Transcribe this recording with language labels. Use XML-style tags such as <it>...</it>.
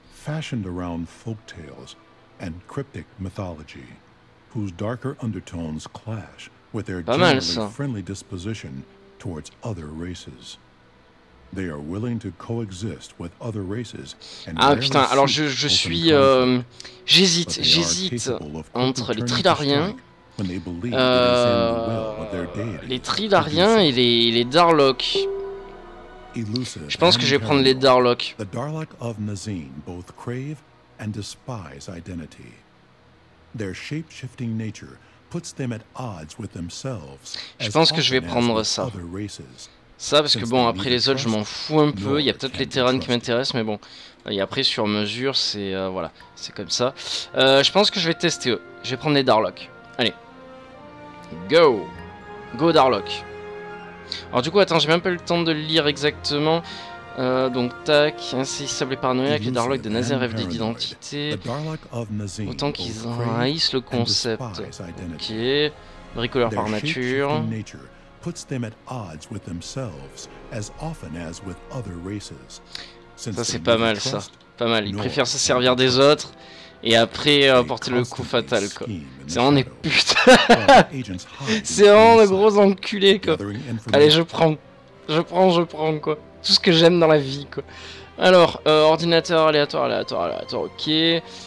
<en>Fashioned around folktales and cryptic mythology, whose darker undertones clash with their generally friendly disposition towards other races. They are willing to coexist with other races.</en> <fr>Ah putain, alors je suis j'hésite entre les Trilariens et les Darlocs. Je pense que je vais prendre les Darlocs.</fr> <en>The Darlocs of Nazim both crave and despise identity. Their shape-shifting nature puts them at odds with themselves.</en> <fr>Je pense que je vais prendre ça. Ça, parce que bon, après les autres, je m'en fous un peu. Il y a peut-être les Terranes qui m'intéressent, mais bon. Et après, sur mesure, c'est. Voilà, c'est comme ça. Je pense que je vais tester eux. Je vais prendre les Darlocs. Allez.</fr> <en>Go. Go, Darlocs.</en> <fr>Alors, du coup, attends, j'ai même pas eu le temps de le lire exactement. Donc, tac. Insaisissable et paranoïaque, les Darlocs de Nazim rêvent d'identité. Autant qu'ils haïssent le concept. Ok. Bricoleur par nature.</fr> <en>Puts them at odds with themselves as often as with other races.</en> <fr>Ça c'est pas mal ça, pas mal. Ils préfèrent se servir des autres et après porter le coup fatal quoi. C'est vraiment des putains. C'est vraiment de gros enculés quoi. Allez je prends quoi. Tout ce que j'aime dans la vie quoi. Alors ordinateur aléatoire. Ok.</fr>